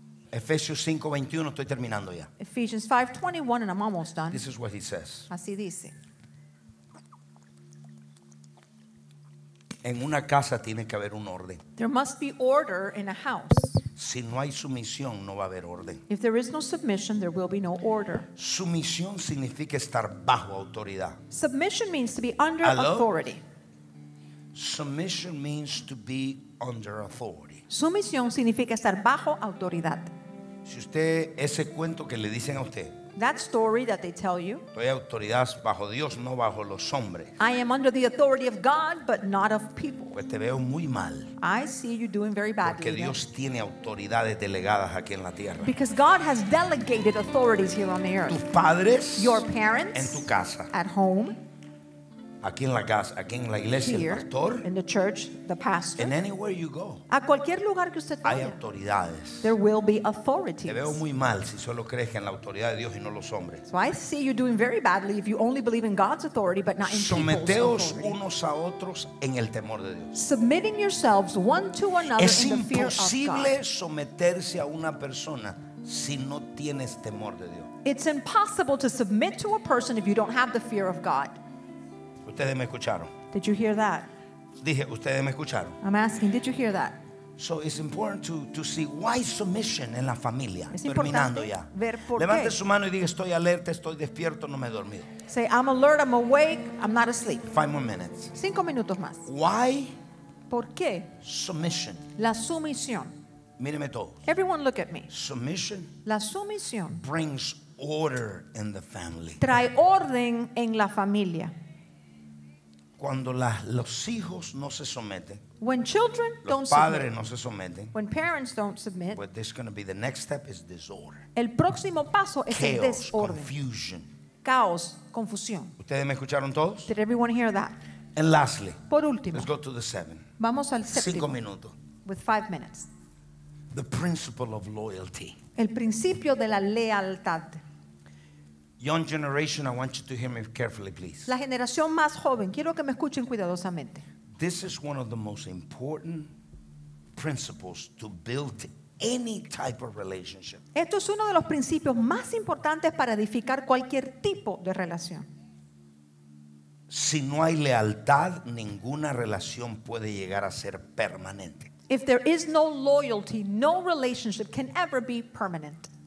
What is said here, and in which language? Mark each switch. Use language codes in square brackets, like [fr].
[es] Efesios 5:21, estoy terminando ya. [en] Ephesians 5:21, and I'm almost done. This is what he says. [es] Así dice. En una casa tiene que haber un orden. [en] There must be order in a house. [es] Si no hay sumisión, no va a haber orden. [en] If there is no submission, there will be no order. [es] Sumisión significa estar bajo autoridad. [en] Submission means to be under Hello? Authority. Submission means to be under authority. [es] Sumisión significa estar bajo autoridad. Si usted ese cuento que le dicen a usted. [en] That story that they tell you. [es] Estoy autoridad bajo Dios, no bajo los hombres. [en] I am under the authority of God, but not of people. [es] Pues te veo muy mal. [en] I see you doing very badly. [es] Porque Dios [en] then. [es] Tiene autoridades delegadas aquí en la tierra. [en] Because God has delegated authorities here on the earth. [es] Tus padres. [en] Your parents. [es] En tu casa. [en] At home. [es] Aquí en la casa, aquí en la iglesia, el pastor. [en] In the church, the pastor. And anywhere you go. [es] A cualquier lugar que usted vaya. Hay autoridades. [en] There will be authorities. [es] Te veo muy mal si solo crees en la autoridad de Dios y no los hombres. [en] So I see you doing very badly if you only believe in God's authority but not in [es] Someteos unos a otros en el temor de Dios. [en] Submitting yourselves one to another [es] es [en] in the fear of God. [es] Es imposible someterse a una persona si no tienes temor de Dios. [en] It's impossible to submit to a person if you don't have the fear of God. [es] Ustedes me escucharon. [en] Did you hear that? [es] Dije, ustedes me escucharon. [en] I'm asking, did you hear that? So it's important to see why submission [es] en la familia. Es importante ver por qué. Levante su mano y diga, estoy alerta, estoy despierto, no me he dormido. [en] Say, I'm alert, I'm awake, I'm not asleep. Five more minutes. [es] Cinco minutos más. [en] Why? [es] ¿Por qué? [en] Submission. [es] La sumisión. Míreme todos. [en] Everyone look at me. Submission. [es] La sumisión. [en] Brings order in the family. [es] Trae orden en la familia. Cuando los hijos no se someten, [en] when children don't [es] los padres [en] submit, [es] no se someten, [en] when parents don't submit, what this is going to be the next step is disorder. [es] El próximo paso es [en] chaos, [es] el desorden. [en] Confusion. [es] caos, confusión. ¿Ustedes me escucharon todos? [en] Did everyone hear that? And lastly, [es] por último, [en] let's go to the seven. [es] Vamos al séptimo. 5 minutos. [en] With 5 minutes. The principle of loyalty. [es] El principio de la lealtad. [en] Young generation, I want you to hear me carefully, please. [es] La generación más joven, quiero que me escuchen cuidadosamente. [en] This is one of the most important principles to build any type of relationship. [es] Esto es uno de los principios más importantes para edificar cualquier tipo de relación. Si no hay lealtad, ninguna relación puede llegar a ser permanente. [en] If there is no loyalty, no relationship can ever be permanent.